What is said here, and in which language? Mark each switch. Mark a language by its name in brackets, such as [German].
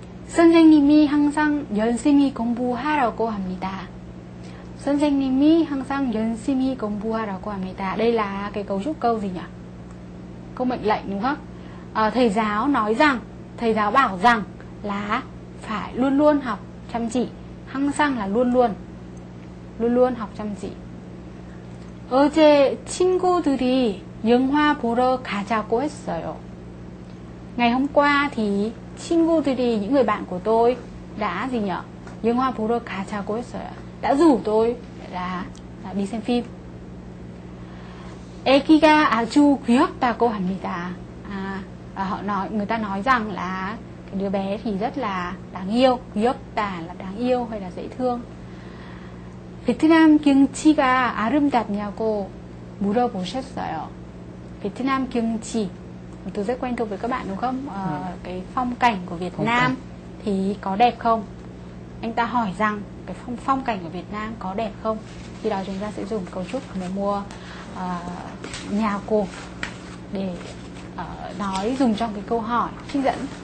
[Korean] 선생님이 항상 열심히 공부하라고 합니다. 선생님이 항상 열심히 공부하라고 합니다. [Vietnamese] Đây là cái cấu trúc câu gì nhỉ? Câu mệnh lệnh đúng không? Thầy giáo nói rằng, thầy giáo bảo rằng là phải luôn luôn học chăm chỉ. Hăng-sang là luôn luôn. Luôn luôn học chăm chỉ. [Korean] 어제 친구들이 영화 보러 가자고 했어요. [Vietnamese] Ngày hôm qua thì 친구들이, những người bạn của tôi đã gì nhỉ? [Korean] 영화 보러 가자고 했어요. [Vietnamese] Đã rủ tôi là đi xem phim. [Korean] 애기가 아주 귀엽다고 합니다. [Vietnamese] Họ nói, người ta nói rằng là cái đứa bé thì rất là đáng yêu. 귀엽다 là đáng yêu hay là dễ thương. [Korean] 베트남 경치가 아름답냐고 물어보셨어요. 베트남 경치, [Vietnamese] một từ rất quen thuộc với các bạn đúng không? Cái phong cảnh của Việt Nam thì có đẹp không? Anh ta hỏi rằng cái phong cảnh của Việt Nam có đẹp không? Khi đó chúng ta sẽ dùng cấu trúc mới mua nhà cô để nói, dùng trong cái câu hỏi trích dẫn.